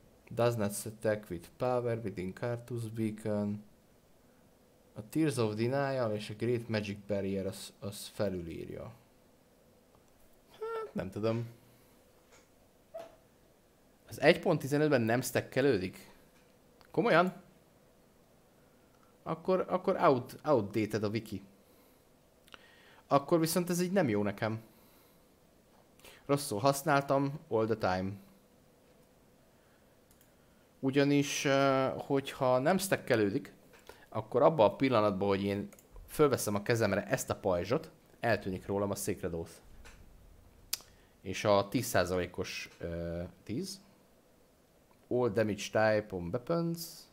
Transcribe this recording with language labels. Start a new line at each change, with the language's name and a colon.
English: Does not attack with power within Karthus Beacon.
Hungarian: A Tears of Denial és a Great Magic Barrier az felülírja. Hát nem tudom. Az 1.15-ben nem stackelődik? Komolyan? Akkor outdated a wiki. Akkor viszont ez így nem jó nekem. Rosszul használtam,
English: all the time.
Hungarian: Ugyanis, hogyha nem stackelődik, akkor abban a pillanatban, hogy én fölveszem a kezemre ezt a pajzsot, eltűnik rólam a Sacred Oath. És a 10%-os 10.
English: All damage type on weapons.